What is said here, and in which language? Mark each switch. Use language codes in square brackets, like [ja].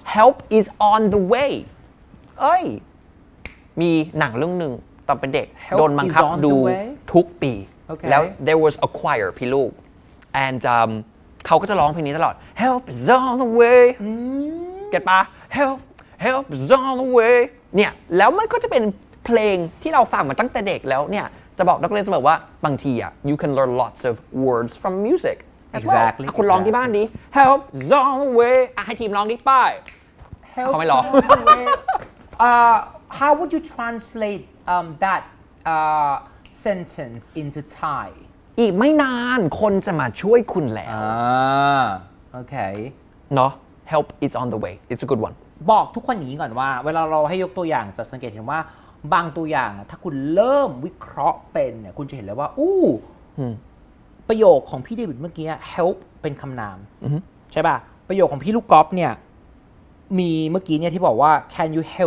[en] help is on the way [th] เอ้ยมีหนังเรื่องหนึ่งตอนเป็นเด็กโดนบังคับดูทุกปีแล้ว [en] there was a choir [th] พี่ลูก andเขาก็จะร้องเพลงนี้ตลอด [en] Help is on the way get [th] ปะ [en] Help is on the way [th] เนี่ยแล้วมันก็จะเป็นเพลงที่เราฟังมาตั้งแต่เด็กแล้วเนี่ยจะบอกนักเรียนเสมอว่าบางทีอ่ะ [en] you can learn lots of words from music exactly [th] คุณร้องที่บ้านดิ [en] Help is on the way [th] ให้ทีมร้องดิป้ายเขาไม่ร้อง [en] How would you translate that sentence into Thai [th] อีกไม่นานคนจะมาช่วยคุณแล้ว โอเค [en] เนาะ help is on the way it's a good one [th] บอกทุกคนนี้ก่อนว่าเวลาเราให้ยกตัวอย่างจะสังเกตเห็นว่าบางตัวอย่างถ้าคุณเริ่มวิเคราะห์เป็นคุณจะเห็นเลยว่าอู้ประโยคของพี่เดวิดเมื่อกี้ help เป็นคำนามใช่ป่ะประโยคของพี่ลูกกอล์ฟเนี่ยมีเมื่อกี้เนี่ยที่บอกว่า [en] can you